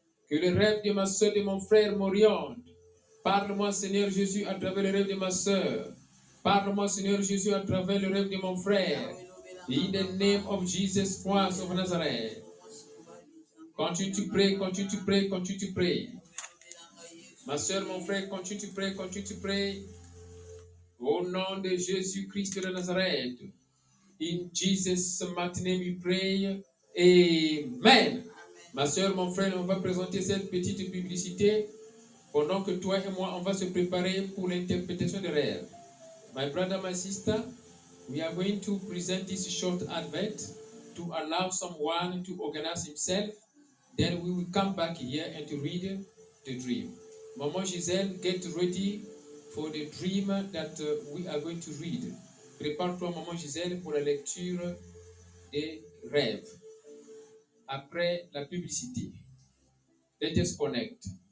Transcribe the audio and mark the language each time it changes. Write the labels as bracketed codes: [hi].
[fr] Que le rêve de ma soeur et mon frère m'oriente. Parle-moi, Seigneur Jésus, à travers le rêve de ma soeur. Parle-moi, Seigneur Jésus, à travers le rêve de mon frère. [en] In the name of Jesus Christ of Nazareth. Continue to pray. [fr] Ma soeur, mon frère, [en] continue to pray. [fr] Au nom de Jésus Christ de Nazareth. [en] In Jesus' mighty name, we pray. Amen. [fr] Ma soeur, mon frère, on va présenter cette petite publicité pendant que toi et moi, on va se préparer pour l'interprétation des rêves. [en] My brother, my sister, we are going to present this short advert to allow someone to organize himself. Then we will come back here and to read the dream. Maman Giselle, get ready for the dream that we are going to read. [fr] Prépare-toi, maman Gisèle, pour la lecture des rêves. Après la publicité. [en] Let us connect.